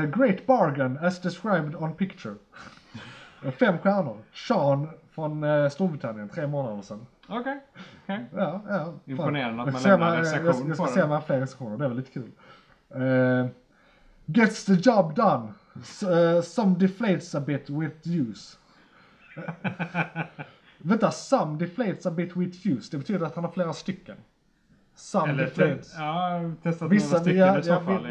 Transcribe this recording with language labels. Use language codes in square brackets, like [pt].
[en] Great bargain as described on picture. [sv] 5 stjärnor. Sean... Från Storbritannien, 3 månader sedan. Okej. Ja, imponerande att man lämnar en recension. Jag ska se om jag har fler recensioner, det är väl lite kul. [en] Gets the job done. Some deflates a bit with use. [sv] Vänta, [en] some deflates a bit with use. [sv] Det betyder att han har flera stycken. [en] Some eller deflates. [sv] Testat vissa stycken i så fall.